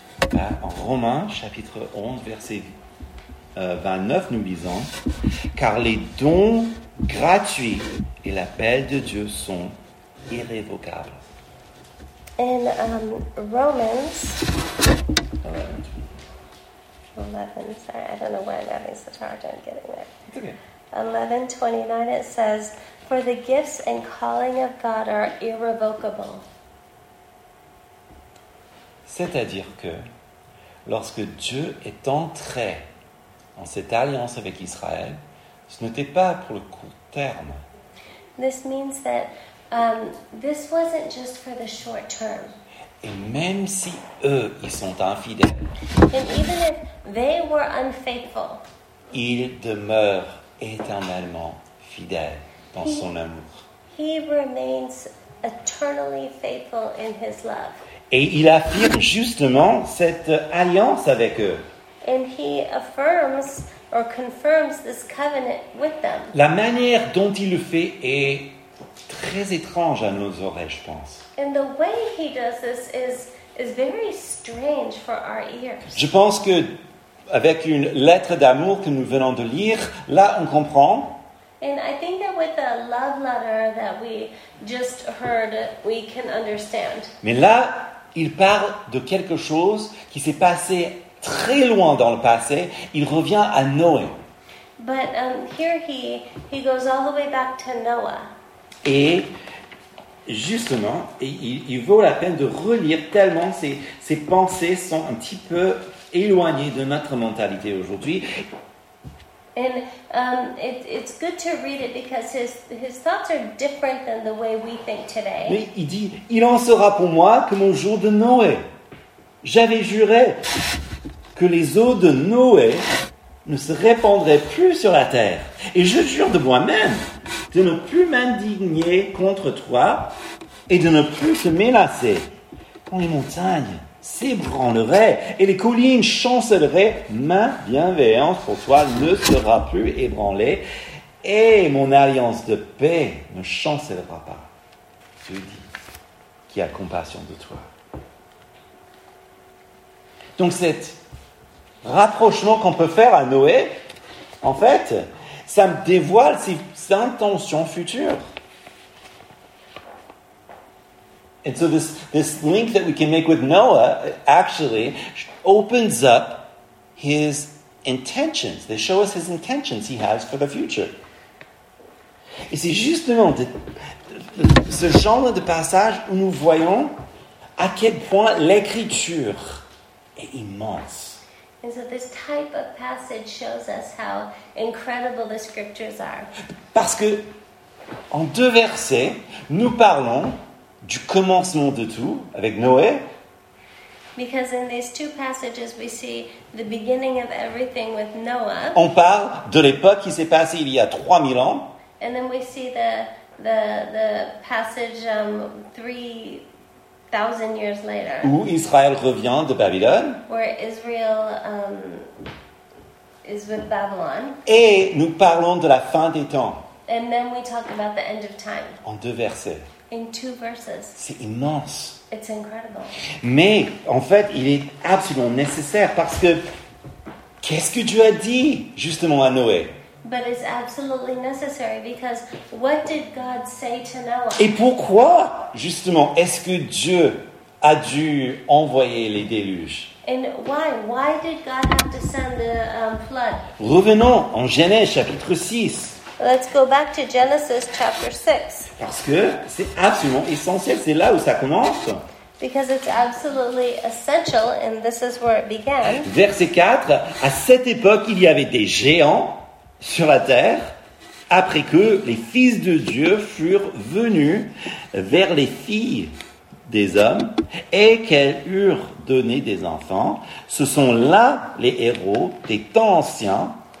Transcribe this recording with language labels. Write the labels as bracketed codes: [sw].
[fr] Ben, en Romains, chapitre 11, verset 29, nous lisons, « Car les dons gratuits et l'appel de Dieu sont irrévocables. » [en] In Romans 11, sorry, I don't know why I'm having such a hard time getting there. It's okay. 11:29, it says, "For the gifts and calling of God are irrevocable." [fr] C'est-à-dire que lorsque Dieu est entré en cette alliance avec Israël, ce n'était pas pour le court terme. [en] This means that this wasn't just for the short term. [fr] Et même si eux, ils sont infidèles. [en] And even if they were unfaithful. [fr] Il demeure éternellement fidèle dans son amour. [en] He remains eternally faithful in his love. [fr] Et il affirme justement cette alliance avec eux. [en] And he affirms or confirms this covenant with them. [fr] La manière dont il le fait est très étrange à nos oreilles, je pense. [en] And the way he does this is very strange for our ears. [fr] Je pense que avec une lettre d'amour que nous venons de lire, là on comprend. [en] And I think that with the love letter that we just heard, we can understand. [fr] Mais là, il parle de quelque chose qui s'est passé très loin dans le passé. Il revient à Noé. [en] But here he goes all the way back to Noah. [fr] Et justement, il vaut la peine de relire tellement ses pensées sont un petit peu éloignées de notre mentalité aujourd'hui. [en] And it's good to read it because his thoughts are different than the way we think today. [fr] Mais il dit, il en sera pour moi comme au jour de Noé. J'avais juré que les eaux de Noé ne se répandraient plus sur la terre. Et je jure de moi-même de ne plus m'indigner contre toi et de ne plus te menacer. Quand les montagnes s'ébranleraient et les collines chancelleraient, ma bienveillance pour toi ne sera plus ébranlée et mon alliance de paix ne chancellera pas. Dieu dit qu'il a compassion de toi. Donc cette rapprochement qu'on peut faire à Noé, en fait, ça me dévoile ses intentions futures. [en] And so this link that we can make with Noah actually opens up his intentions. They show us his intentions he has for the future. [fr] Et c'est justement ce genre de passage où nous voyons à quel point l'écriture est immense. [en] And so this type of passage shows us how incredible the scriptures are. [fr] Parce que en deux versets, nous parlons du commencement de tout avec Noé. [en] Because in these two passages we see the beginning of everything with Noah. [fr] On parle de l'époque qui s'est passée il y a 3000 ans. [en] And then we see the passage 3000 years later. [fr] Où Israël revient de Babylone. [en] Where Israel is with Babylon. [fr] Et nous parlons de la fin des temps. [en] And then we talk about the end of time. [fr] En deux versets. [en] In two verses. [fr] C'est immense. [en] It's incredible. [fr] Mais en fait, il est absolument nécessaire parce que qu'est-ce que Dieu a dit justement à Noé? [en] But it's absolutely necessary because what did God say to Noah? [fr] Et pourquoi justement est-ce que Dieu a dû envoyer les déluges. [en] And why did God have to send the flood? [fr] Revenons en Genèse chapitre 6. [en] Let's go back to Genesis chapter 6. [fr] Parce que c'est absolument essentiel, c'est là où ça commence. [en] Because it's absolutely essential and this is where it began. [fr] Verset 4, à cette époque, il y avait des géants sur la terre après que les fils de Dieu furent venus vers les filles des hommes et qu'elles eurent donné des enfants. Ce sont là les héros des temps anciens.